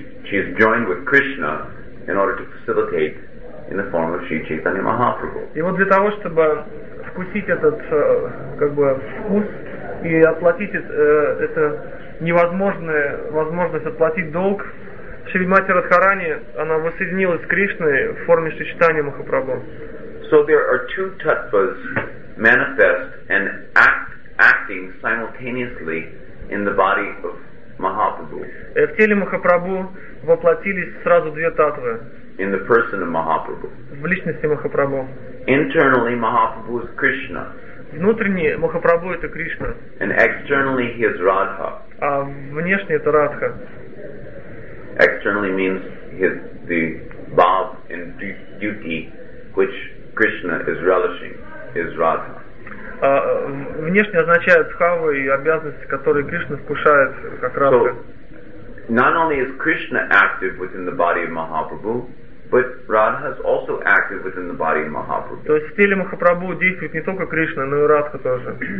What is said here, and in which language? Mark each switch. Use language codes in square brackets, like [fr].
[en] She's joined with Krishna in order to facilitate in the form of Sri Chaitanya Mahaprabhu. [ru] И вот для того, чтобы вкусить этот как бы вкус и оплатить это невозможное возможность оплатить долг, Шримати Радхарани, она воссоединилась с Кришной в форме Шри Чайтанья Махапрабху. [en] So there are two tattvas manifest and acting simultaneously in the body of Mahaprabhu. [ru] В теле Махапрабху воплотились сразу две таттвы. [en] In the person of Mahaprabhu. [ru] В личности Махапрабху. [en] Internally, Mahaprabhu is Krishna. [ru] Внутренне Махапрабху это Кришна. [en] And externally, he is Radha. [ru] А внешне это Радха. [en] Externally means his the bhav and duty which Krishna is relishing is Radha. [ru] Внешне означает бхавы и обязанности, которые Кришна вкушает как Радха. [en] So, not only is Krishna active within the body of Mahaprabhu, but Radha is also active within the body of Mahaprabhu. [ru] То есть в теле Махапрабху действует не только Кришна, но и Радха тоже.